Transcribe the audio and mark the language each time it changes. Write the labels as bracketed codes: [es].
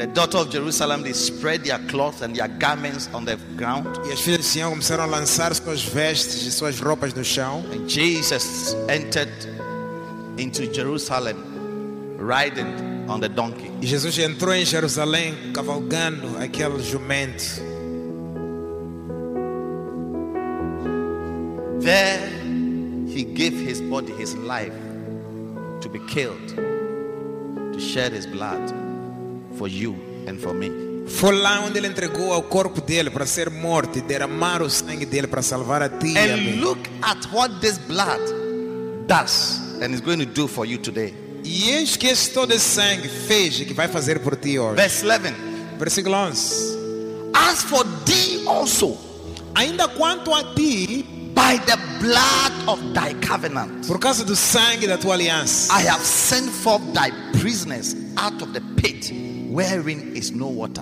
[en] the daughter of Jerusalem, they spread their cloth and their garments on the ground. [pt] E as filhas de Sião começaram a lançar suas vestes e suas roupas no chão. [en] And Jesus entered into Jerusalem riding on the donkey. [pt] E Jesus entrou em Jerusalém cavalgando aquele jumento. [en] There he gave his body, his life, to be killed, to shed his blood for you and for me. [pt] Foi lá onde ele entregou o corpo dele para ser morto e derramar o sangue dele para salvar a ti. [en] And look at what this blood does and is going to do for you today. [pt] E eis que todo esse sangue fez e que vai fazer por ti hoje. [en] Verse 11. [pt] Versículo 11. [en] As for thee also, [pt] ainda quanto a ti, [en] by the blood of thy covenant, [pt] por causa do sangue da tua aliança, [en] I have sent forth thy prisoners out of the pit wherein is no water.